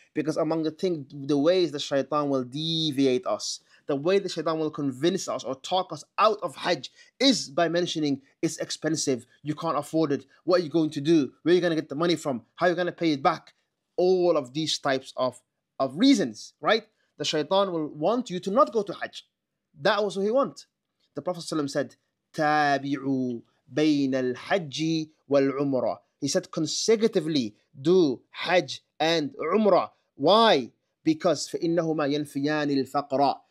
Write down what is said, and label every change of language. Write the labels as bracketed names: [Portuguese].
[English] Because among the things, the ways the shaitan will deviate us, the way the shaitan will convince us or talk us out of Hajj is by mentioning it's expensive, you can't afford it, what are you going to do, where are you going to get the money from, how are you going to pay it back? All of these types of reasons, right? The shaitan will want you to not go to Hajj. That was what he wants. The Prophet ﷺ said, [Arabic] تابعوا بين الحج والعمرة. [English] He said, consecutively do Hajj and Umrah. Why? Because [Arabic] فإنهما ينفيان الفقراء.